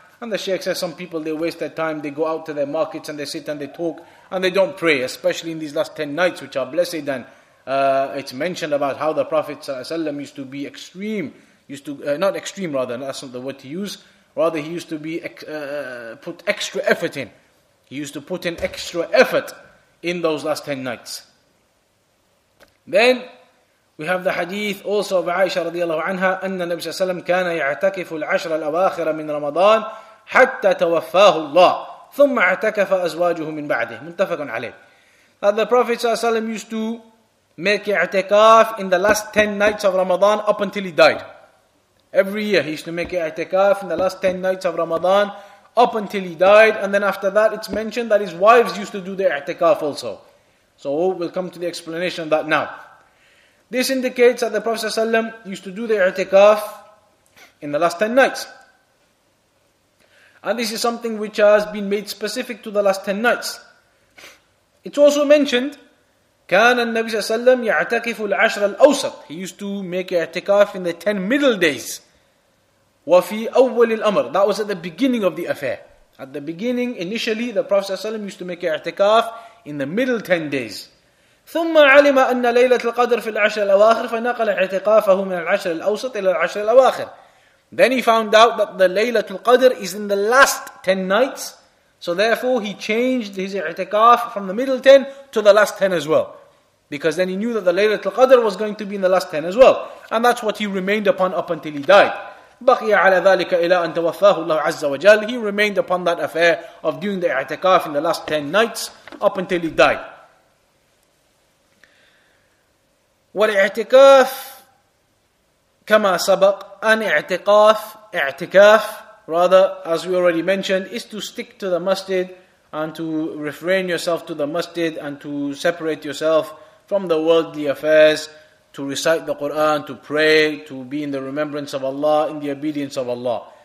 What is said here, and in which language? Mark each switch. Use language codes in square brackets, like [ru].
[en] And the Shaykh says some people, they waste their time, they go out to their markets and they sit and they talk, and they don't pray, especially in these last 10 nights, which are blessed. And it's mentioned about how the Prophet ﷺ used to put extra effort in. He used to put in extra effort in those last 10 nights. Then we have the hadith also of Aisha radiallahu anha, [ar] أن النبي صلى الله عليه وسلم كان يعتكف العشر الأواخر من رمضان حتى توفاه الله ثم اعتكف أزواجه من بعده. متفق عليه. [en] That the Prophet صلى الله عليه وسلم used to make i'tikaf in the last 10 nights of Ramadan up until he died. Every year he used to make i'tikaf in the last 10 nights of Ramadan up until he died. And then after that, it's mentioned that his wives used to do the i'tikaf also. So we'll come to the explanation of that now. This indicates that the Prophet ﷺ used to do the i'tikaf in the last 10 nights. And this is something which has been made specific to the last 10 nights. It's also mentioned, [ar] كان النبي صلى الله عليه وسلم يعتكف العشر الأوسط. [en] He used to make i'tikaf in the 10 middle days. [ar] وفي أول الأمر. [en] That was at the beginning of the affair. At the beginning, initially, the Prophet ﷺ used to make i'tikaf in the middle 10 days. [ar] ثم علم أن ليلة القدر في العشر الأواخر فنقل اعتكافه من العشر الأوسط إلى العشر الأواخر. [en] Then he found out that the Laylatul Qadr is in the last 10 nights, so therefore he changed his i'tikaf from the middle 10 to the last 10 as well, because then he knew that the Laylatul Qadr was going to be in the last 10 as well, and that's what he remained upon up until he died. [ar] بقي على ذلك إلى أن توفاه الله عز وجل. [en] He remained upon that affair of doing the i'tikaf in the last 10 nights up until he died. [ar] والاعتكاف كما سبق أن اعتقاف اعتكاف [en] rather, as we already mentioned, is to stick to the masjid and to refrain yourself to the masjid and to separate yourself from the worldly affairs, to recite the Quran, to pray, to be in the remembrance of Allah, in the obedience of Allah.